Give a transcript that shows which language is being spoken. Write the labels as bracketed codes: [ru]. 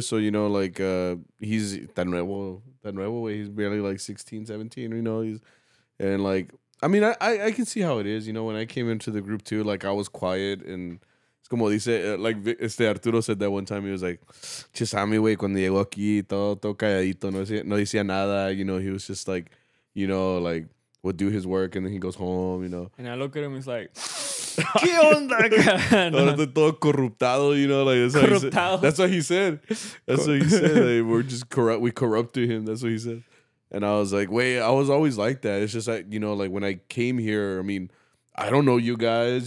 [en] So, you know, like, he's [es] tan nuevo, [en] he's barely, like, 16, 17, you know? I mean, I can see how it is. You know, when I came into the group, too, like, I was quiet. And it's [es] como dice, [en] like, Arturo said that one time. He was like, [es] chisami, güey, cuando llegó aquí, todo calladito, no decía nada. [en] You know, he was just like, you know, like, would do his work, and then he goes home, you know. And I look at him, he's like, [es] ¿qué onda, cara? Ahora estoy todo corruptado, [en] you know? Like, That's what he said. Like, we're just corrupt. We corrupted him. That's what he said. And I was like, wait, I was always like that. It's just like, you know, like, when I came here, I mean, I don't know you guys.